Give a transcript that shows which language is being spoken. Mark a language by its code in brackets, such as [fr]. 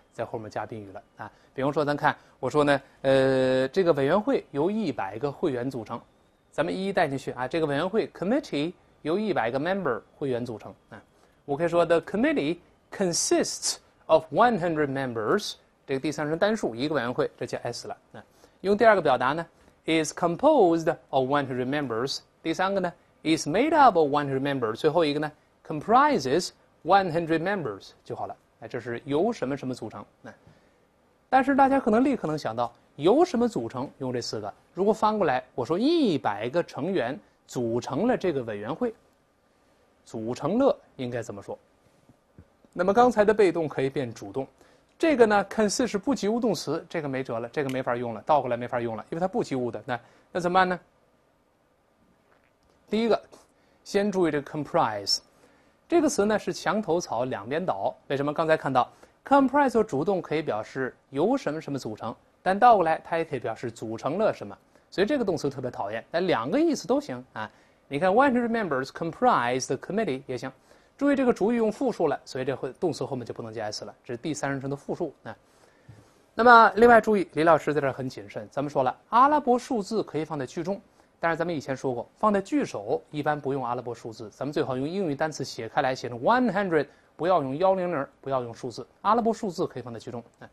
[zh] 在后面加宾语了啊，比方说咱看，我说呢，这个委员会由100个会员组成，咱们一一带进去啊。这个委员会 committee 由100个 member 会员组成啊。我可以说 [en] the committee consists of 100 members， [zh] 这个第三人称单数，一个委员会，这叫 s 了。用第二个表达呢 [en] ，is composed of 100 members， [zh] 第三个呢 [en] ，is made up of 100 members， [zh] 最后一个呢 [en] ，comprises 100 members [zh] 就好了。这是由什么什么组成，但是大家可能立刻能想到由什么组成用这四个，如果翻过来我说100个成员组成了这个委员会，组成了应该怎么说，那么刚才的被动可以变主动，这个呢 consist 是不及物动词，这个没辙了，这个没法用了，倒过来没法用了，因为它不及物的。那怎么办呢？第一个，先注意这个 comprise 这个词呢是墙头草两边倒。为什么？刚才看到 comprise 和主动可以表示由什么什么组成，但倒过来它也可以表示组成了什么。所以这个动词特别讨厌，但两个意思都行啊。你看 [en] 100 members comprise the committee [zh] 也行。注意这个主语用复数了，所以这会动词后面就不能加 s 了，这是第三人称的复数。那么另外注意，李老师在这很谨慎。咱们说了，阿拉伯数字可以放在句中，但是咱们以前说过，放在句首一般不用阿拉伯数字，咱们最好用英语单词写开来，写成 100，不要用100，不要用数字，阿拉伯数字可以放在句中。